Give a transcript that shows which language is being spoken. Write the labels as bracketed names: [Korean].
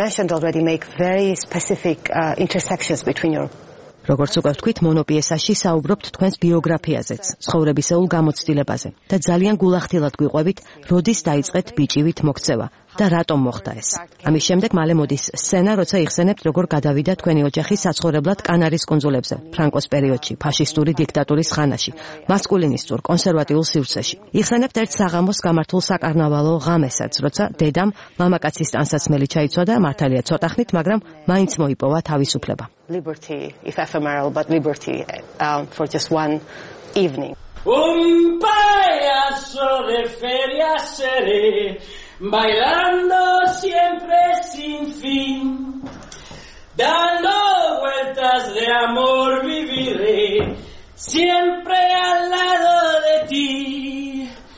[English] We mentioned already make very specific intersections between your [Georgian] როგორც უკვე ვთქვით, მონოპიესაში საუბრობთ თქვენს ბიოგრაფიაზეც, ცხოვრებისეულ გამოცდილებაზე და ძალიან გულახდილად გვიყვებით, როდის დაიწყეთ ბიჭივით მოქცევა და რატომ მოხდა ეს. ამის შემდეგ მალე მოდის სცენა, როცა იხსენებთ, როგორ გადავიდა თქვენი ოჯახი საცხოვრებლად კანარის კუნძულებზე, ფრანკოს პერიოდში, ფაშისტური დიქტატურის ხანაში, მასკულინისტურ, კონსერვატიულ სივრცეში. იხსენებთ ერთ საღამოს გამართულ საკარნავალო ღამესაც, როცა დედამ მამაკაცის ტანსაცმელი ჩაიცვადა, მართალია ცოტა ხნით, მაგრამ მაინც მოიპოვა თავისუფლება. [English] Liberty, if ephemeral, but liberty for just one evening. [Spanish] Un payaso de feria seré, bailando siempre sin fin, dando vueltas de amor viviré, siempre al lado de ti.